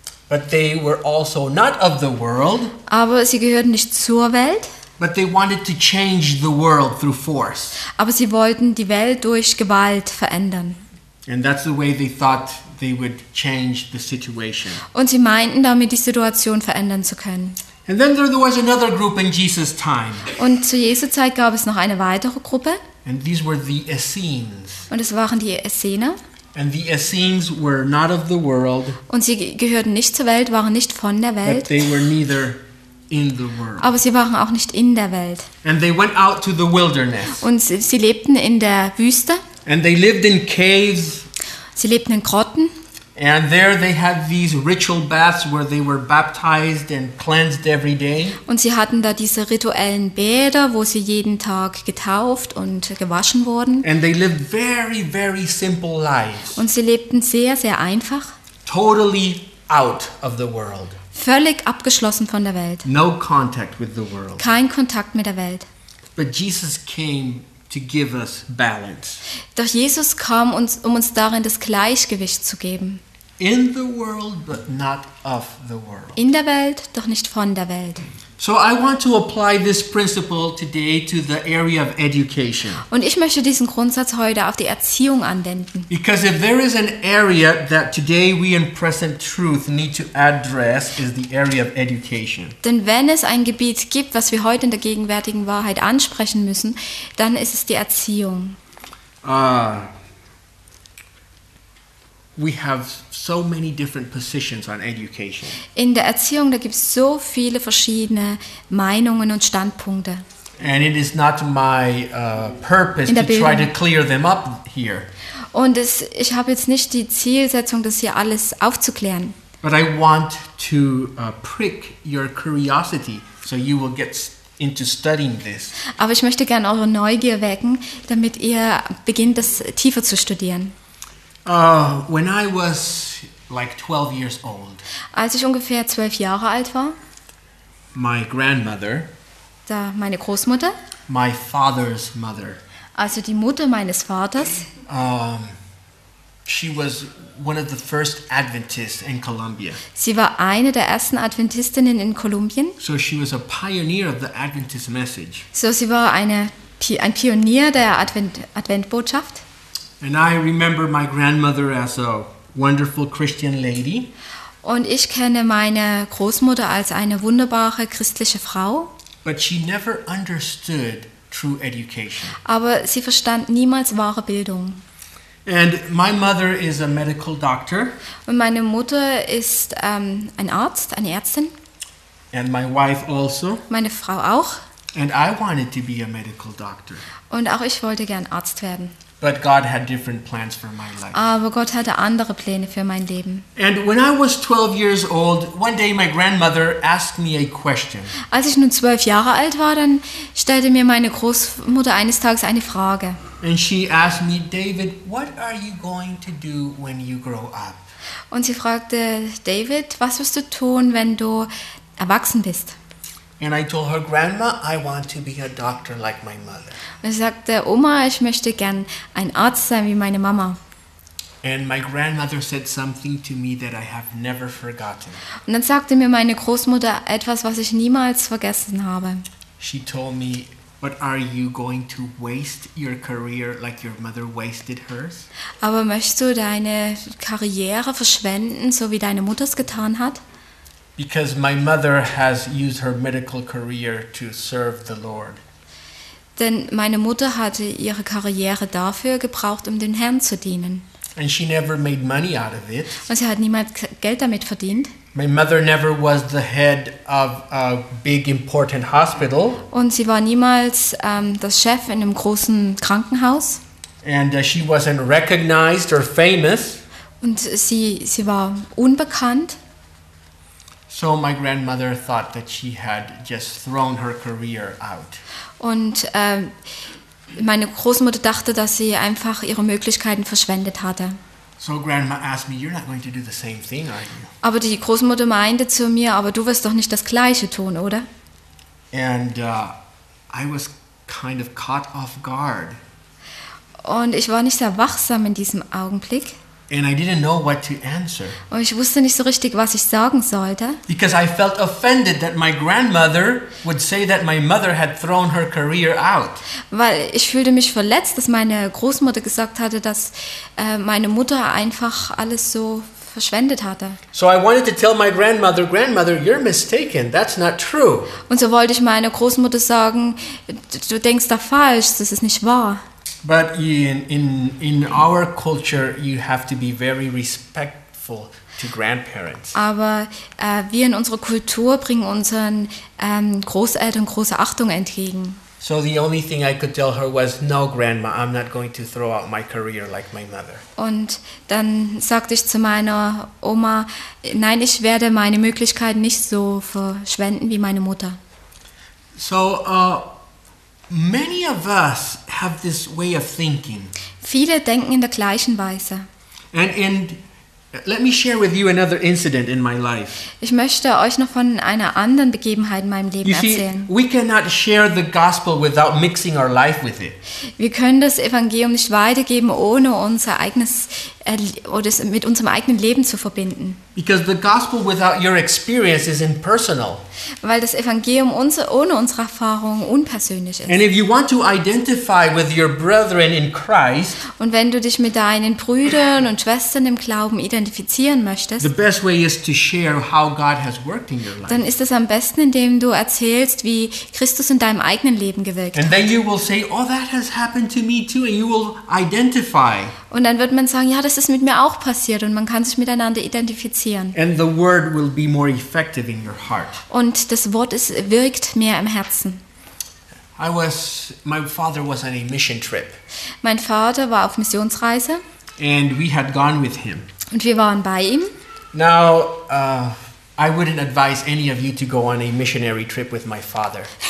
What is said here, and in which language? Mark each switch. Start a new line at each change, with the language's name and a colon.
English: But they were also not of the world.
German: Aber sie gehörten nicht zur Welt.
English: But they wanted to change the world through force.
German: Aber sie wollten die Welt durch Gewalt verändern.
English: And that's the way they thought they would change the situation.
German: Und sie meinten damit die Situation verändern zu können.
English: And then there was another group in Jesus' time.
German: Und zu Jesu Zeit gab es noch eine weitere Gruppe.
English: And these were the Essenes.
German: Und es waren die Essener.
English: And the Essenes were not of the world.
German: Und sie gehörten nicht zur Welt, waren nicht von der Welt.
English: But they were neither in the world.
German: Aber sie waren auch nicht in der Welt.
English: And they went out to the wilderness.
German: Und sie lebten in der Wüste.
English: And they lived in caves.
German: Sie lebten in Grotten.
English: And there they had these ritual baths where they were baptized and cleansed every day.
German: Und sie hatten da diese rituellen Bäder, wo sie jeden Tag getauft und gewaschen wurden.
English: And they lived very, very simple lives.
German: Und sie lebten sehr, sehr einfach.
English: Totally out of the world.
German: Völlig abgeschlossen von der Welt.
English: No contact with the world.
German: Kein Kontakt mit der Welt.
English: But Jesus came to give us balance.
German: Doch Jesus kam uns, um uns darin das Gleichgewicht zu geben.
English: In the world, but not of the world.
German: In der Welt, doch nicht von der Welt.
English: So I want to apply this principle today to the area of education.
German: Und ich möchte diesen Grundsatz heute auf die Erziehung anwenden.
English: Because if there is an area that today we in present truth need to address is the area of education.
German: Denn wenn es ein Gebiet gibt, was wir heute in der gegenwärtigen Wahrheit ansprechen müssen, dann ist es die Erziehung.
English: We have so many different positions on education.
German: In der Erziehung, da gibt es so viele verschiedene Meinungen und Standpunkte.
English: And it is not my purpose to try to clear them up here.
German: Und es, ich habe jetzt nicht die Zielsetzung, das hier alles aufzuklären.
English: But I want to prick your curiosity so you will get into studying this.
German: Aber ich möchte gerne eure Neugier wecken, damit ihr beginnt, das tiefer zu studieren.
English: When I was like 12 years old.
German: Als ich ungefähr 12 Jahre alt war.
English: My grandmother.
German: Da meine Großmutter.
English: My father's mother.
German: Also die Mutter meines Vaters.
English: She was one of the first Adventists in Colombia.
German: Sie war eine der ersten Adventistinnen in Kolumbien.
English: So she was a pioneer of the Adventist message.
German: So sie war ein Pionier der Adventbotschaft.
English: And I remember my grandmother as a wonderful Christian lady.
German: Und ich kenne meine Großmutter als eine wunderbare christliche Frau.
English: But she never understood true education.
German: Aber sie verstand niemals wahre Bildung.
English: And my mother is a medical doctor.
German: Und meine Mutter ist ein Arzt, eine Ärztin.
English: And my wife also.
German: Meine Frau auch.
English: And I wanted to be a medical doctor.
German: Und auch ich wollte gern Arzt werden.
English: But God had different plans for my life.
German: Aber Gott hatte andere Pläne für mein Leben.
English: And when I was 12 years old, one day my grandmother asked me a question.
German: Als ich nun 12 Jahre alt war, dann stellte mir meine Großmutter eines Tages eine Frage.
English: And she asked me, David, what are you going to do when you grow up?
German: Und sie fragte, David, was wirst du tun, wenn du erwachsen bist?
English: And I told her, Grandma, I want to be a doctor like my mother.
German: Und ich sagte, Oma, ich möchte gern ein Arzt sein wie meine Mama.
English: And my grandmother said something to me that I have never forgotten.
German: Und dann sagte mir meine Großmutter etwas, was ich niemals vergessen habe.
English: She told me, but are you going to waste your career like your mother wasted hers?
German: Aber möchtest du deine Karriere verschwenden, so wie deine Mutter es getan hat?
English: Because my mother has used her medical career to serve the Lord.
German: Denn meine Mutter hatte ihre Karriere dafür gebraucht, um dem Herrn zu dienen.
English: And she never made money out of it.
German: Und sie hat niemals Geld damit verdient.
English: My mother never was the head of a big important hospital.
German: Und sie war niemals das Chef in einem großen Krankenhaus.
English: And she wasn't recognized or famous.
German: Und sie war unbekannt.
English: So my grandmother thought that she had just thrown her career out.
German: Und meine Großmutter dachte, dass sie einfach ihre Möglichkeiten verschwendet hatte.
English: So grandma asked me, you're not going to do the same thing, are you?
German: Aber die Großmutter meinte zu mir, aber du wirst doch nicht das gleiche tun, oder?
English: And I was kind of caught off guard.
German: Und ich war nicht sehr wachsam in diesem Augenblick.
English: And I didn't know what to answer.
German: Und ich wusste nicht so richtig, was ich sagen sollte.
English: Because I felt offended that my grandmother would say that my mother had thrown her career out.
German: Weil ich fühlte mich verletzt, dass meine Großmutter gesagt hatte, dass meine Mutter einfach alles so verschwendet hatte.
English: So I wanted to tell my grandmother, grandmother, you're mistaken. That's not true.
German: Und so wollte ich meiner Großmutter sagen, du denkst da falsch, das ist nicht wahr.
English: But in our culture, you have to be very respectful to grandparents.
German: Aber wir in unserer Kultur bringen unseren Großeltern große Achtung entgegen.
English: So the only thing I could tell her was, no, grandma, I'm not going to throw out my career like my mother.
German: Und dann sagte ich zu meiner Oma, nein, ich werde meine Möglichkeiten nicht so verschwenden wie meine Mutter.
English: So, many of us have this way of thinking.
German: Viele denken in der gleichen Weise.
English: And let me share with you another incident in my life.
German: Ich möchte euch noch von einer anderen Begebenheit in meinem Leben erzählen.
English: We cannot share the gospel without mixing our life with it.
German: Wir können das Evangelium nicht weitergeben, ohne unser eigenes oder mit unserem eigenen Leben zu verbinden.
English: Because the gospel without your experience is impersonal.
German: Weil das Evangelium ohne unsere Erfahrung unpersönlich ist.
English: And if you want to identify with your brethren in Christ,
German: und wenn du dich mit deinen Brüdern und Schwestern im Glauben identifizieren möchtest,
English: the best way is to share how God has worked in your life.
German: Dann ist es am besten, indem du erzählst, wie Christus in deinem eigenen Leben gewirkt hat.
English: And then you will say, oh, that has happened to me too, and you will identify.
German: Und dann wird man sagen, ja, das ist mit mir auch passiert, und man kann sich miteinander identifizieren.
English: And the word will be more effective in your heart.
German: Und das Wort wirkt mehr im Herzen.
English: My father was on a mission trip.
German: Mein Vater war auf Missionsreise.
English: And we had gone with him.
German: Und wir waren bei ihm.
English: Now, I wouldn't advise any of you to go on a missionary trip with my father.